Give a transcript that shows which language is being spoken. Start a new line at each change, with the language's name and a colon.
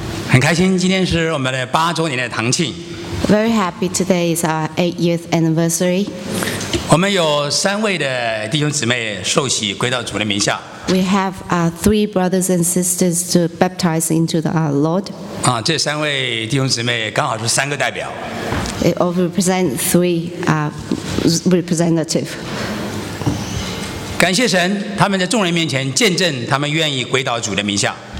Chinese: 很开心，今天是我们的八周年的堂庆。
English: Very happy today is our 8th anniversary。
Chinese: 我们有三位的弟兄姊妹受洗归到主的名下。
English: We have our three brothers and sisters to baptize into our Lord。
Chinese: 啊，这三位弟兄姊妹刚好是三个代表。
English: It all represent three representative。
Chinese: 感谢神，他们在众人面前见证，他们愿意归到主的名下。